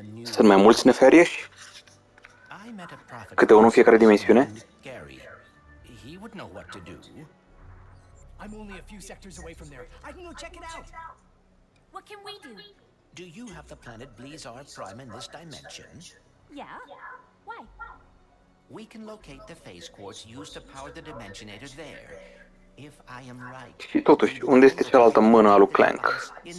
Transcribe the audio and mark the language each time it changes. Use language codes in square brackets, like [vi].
[ro] Sunt mai mulți nefarieși? Câte unul în fiecare dimensiune? [en] Gary. He would know what to do. I'm only a few sectors away from there. I can go check it out. What can we do? Do you have the planet Blizzard Prime in this dimension? Yeah. Why? We can locate the phase quartz used to power the dimensionator there. If I am right. [ro] Și totuși, unde este cealaltă mână a lui Clank?